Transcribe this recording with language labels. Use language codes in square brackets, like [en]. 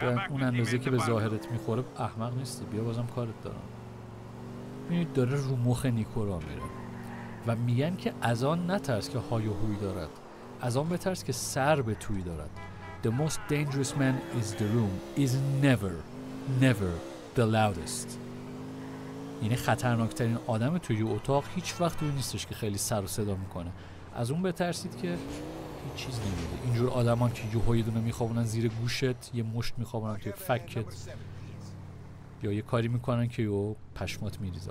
[fa] اون اندازه که به ظاهرت میخوره احمق نیستی، بیا بازم کارت دارم. میبینید داره رو مخ نیکو را میره و میگن که از آن نترس که های و هوی دارد، از آن بترس که سر به توی دارد. [en] The most dangerous man is the room is never never the loudest. [fa] یعنی خطرناکترین آدم توی اتاق هیچ وقت اون نیستش که خیلی سر و صدا میکنه. از اون بترسید که هیچ چیز نمیده. اینجور آدم ها که یوهای دونه میخوابونن زیر گوشت، یه مشت میخوابونن توی فکت، یا یه کاری میکنن که یو پشمات میریزه.